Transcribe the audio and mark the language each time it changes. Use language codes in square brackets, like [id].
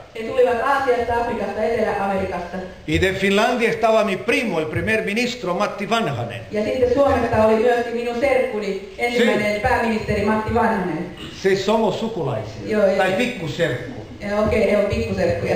[fi] He tulivat Aasiasta, Afrikasta, Etelä-Amerikasta. [es] Y de Finlandia estaba mi primo, el primer ministro Matti Vanhanen. [fi] Ja sitten Suomesta oli myöskin minun serkkuni, ensimmäinen sí. Pääministeri Matti Vanhanen. Se [es] sí, somos [fi] sukulaisia. Joo, tai pikkuserkku. Okei, he on pikkuserkkuja.